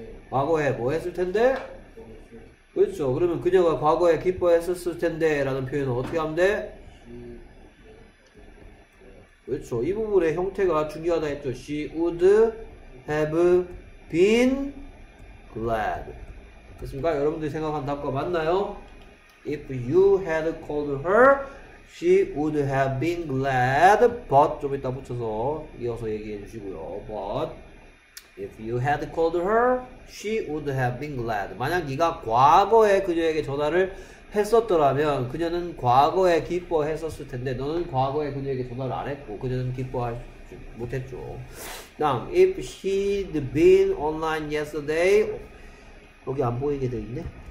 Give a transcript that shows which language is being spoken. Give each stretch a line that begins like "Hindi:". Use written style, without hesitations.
Korean: 과거에 뭐 했을 텐데? 그렇죠. 그러면 그녀가 과거에 기뻐했었을 텐데라는 표현은 어떻게 하면 돼? 그렇죠. 이 부분의 형태가 중요하다 했죠.
English: She would have been glad.
Korean: 그렇습니까? 여러분들이 생각한 답과 맞나요?
English: If you had called her, she would have been glad.
Korean: But 좀 이따 붙여서 이어서 얘기해 주시고요.
English: But If you had called her, she would have been glad.
Korean: 만약 네가 과거에 그녀에게 전화를 했었더라면, 그녀는 과거에 기뻐했었을 텐데, 너는 과거에 그녀에게 전화를 안 했고, 그녀는 기뻐하지 못했죠.
English: Now, if she'd been online yesterday,
Korean: 여기 안 보이게 돼 있네.